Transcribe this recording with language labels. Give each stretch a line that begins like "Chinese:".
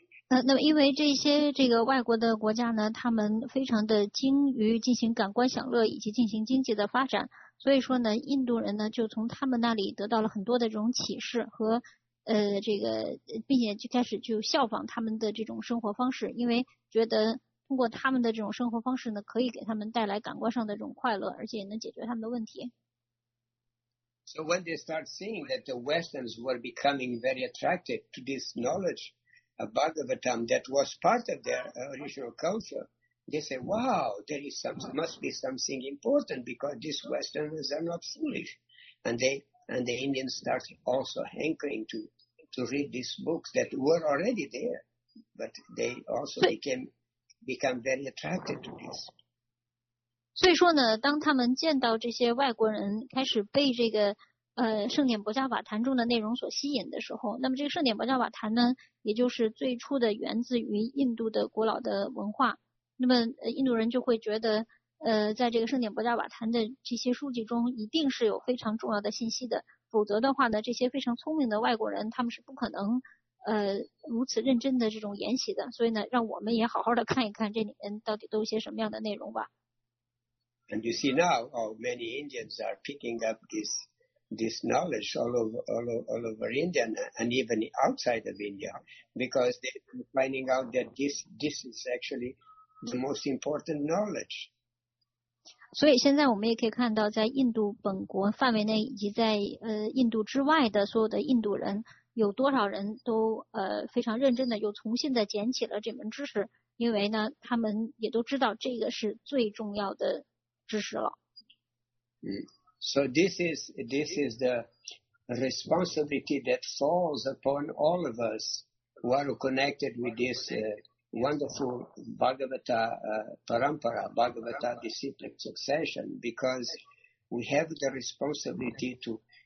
Chinese: 那么因为这些这个外国的国家呢，他们非常的精于进行感官享乐以及进行经济的发展，所以说呢，印度人呢就从他们那里得到了很多的这种启示和这个，并且就开始就效仿他们的这种生活方式，因为觉得通过他们的这种生活方式呢，可以给他们带来感官上的这种快乐，而且也能解决他们的问题。
English: So when they start seeing that the Westerns were becoming very attracted to this knowledge of Bhagavatam that was part of their original culture, they say, "Wow, there is must be something important, because these Westerners are not foolish," And the Indians started also hankering to read these books that were already there, but they also became very attracted to this.
Chinese: 所以说呢，当他们见到这些外国人开始被这个圣典伯加瓦坛中的内容所吸引的时候，那么这个圣典伯加瓦坛呢，也就是最初的源自于印度的古老的文化，那么印度人就会觉得在这个圣典伯加瓦坛的这些书籍中一定是有非常重要的信息的，否则的话呢，这些非常聪明的外国人他们是不可能如此认真的这种研习的，所以呢，让我们也好好的看一看这里面到底都有些什么样的内容吧。
English: And you see now, oh, many Indians are picking up this knowledge all over India and even outside of India, because they're finding out that this is actually the most important knowledge.
Chinese: 所以现在我们也可以看到，在印度本国范围内以及在印度之外的所有的印度人，有多少人都非常认真的又重新的捡起了这门知识，因为呢，他们也都知道这个是最重要的知识了。
English: So this is the responsibility that falls upon all of us who are connected with this wonderful Bhagavata parampara, Bhagavata disciplic succession, because we have the responsibility to